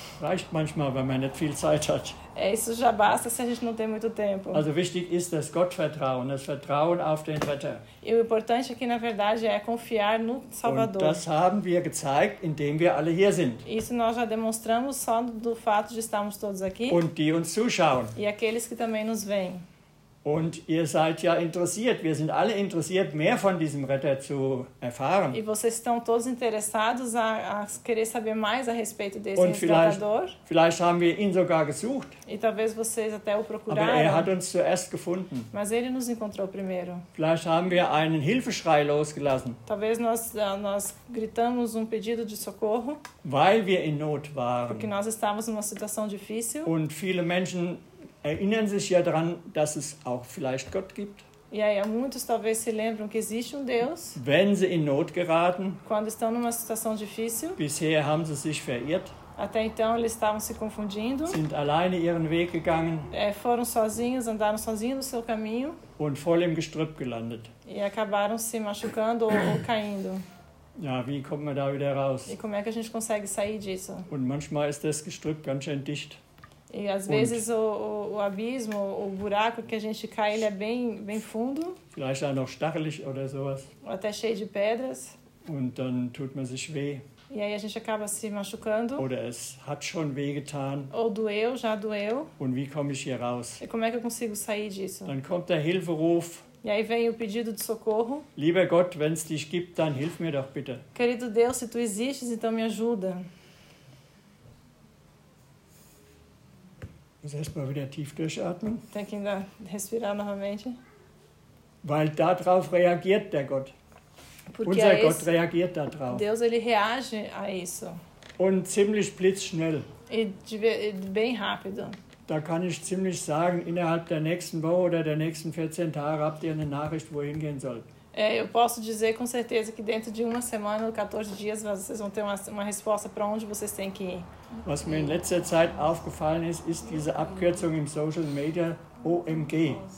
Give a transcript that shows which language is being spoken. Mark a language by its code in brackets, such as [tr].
[de] Reicht manchmal, wenn man nicht viel Zeit hat. [pt] É, isso já basta se a gente não tem muito tempo. [de] Also wichtig ist das Gottvertrauen, das Vertrauen auf den Retter. [pt] E o importante aqui, na verdade, é confiar no Salvador. [de] Und das haben wir gezeigt, indem wir alle hier sind. [pt] Isso nós já demonstramos só do fato de estarmos todos aqui. [de] Und die uns zuschauen. [pt] E aqueles que também nos veem. [de] Und ihr seid ja interessiert, wir sind alle interessiert, mehr von diesem Retter zu erfahren. [pt] E vocês estão todos interessados a querer saber mais a respeito desse [de] Retter. Und vielleicht haben wir ihn sogar gesucht. [pt] E talvez vocês até o procuraram. [de] Aber er hat uns zuerst gefunden. [pt] Mas ele nos encontrou primeiro. [de] Vielleicht haben wir einen Hilfeschrei losgelassen. [pt] Talvez nós gritamos um pedido de socorro. [de] Weil wir in Not waren. [pt] Porque nós estávamos numa situação difícil. [de] Und viele Menschen erinnern sich ja daran, dass es auch vielleicht Gott gibt. [pt] E aí, muitos talvez se lembram que existe Deus. [de] Wenn sie in Not geraten. [pt] Quando estão numa situação difícil. [de] Bisher haben sie sich verirrt. [pt] Até então eles estavam se confundindo. [de] Sind alleine ihren Weg gegangen. [pt] Foram sozinhos, andaram sozinhos no seu caminho. [de] Und voll im Gestrüpp gelandet. [pt] E acabaram se machucando ou caindo. [de] Ja, wie kommt man da wieder raus? [pt] E como é que a gente consegue sair disso? [de] Und manchmal ist das Gestrüpp ganz schön dicht. [pt] E às vezes o abismo, o buraco que a gente cai, ele é bem, bem fundo. [de] Vielleicht auch noch stachelig oder sowas. [pt] Até cheio de pedras. [de] Und dann tut man sich weh. [pt] E aí a gente acaba se machucando. [de] Oder es hat schon weh getan. [pt] Ou doeu, já doeu. [de] Und wie komme ich hier raus? [pt] E como é que eu consigo sair disso? [de] Dann kommt der Hilferuf. [pt] E aí vem o pedido de socorro. [de] Lieber Gott, wenn es dich gibt, dann hilf mir doch bitte. [pt] Querido Deus, se tu existes, então me ajuda. [de] Muss erstmal wieder tief durchatmen. [pt] Tem que ainda respirar novamente. [de] Weil darauf reagiert der Gott. [pt] Porque [de] unser Gott reagiert darauf. [pt] Deus, ele reage a isso. [de] Und ziemlich blitzschnell. [pt] E bem rápido. [de] Da kann ich ziemlich sagen, innerhalb der nächsten Woche oder der nächsten 14 Tage habt ihr eine Nachricht, wo ihr hingehen sollt. [pt] Eu posso dizer com certeza que dentro de uma semana, 14 dias, vocês vão ter uma resposta para onde vocês têm que ir. [de] Was mir in letzter Zeit aufgefallen ist, ist diese Abkürzung im Social Media OMG.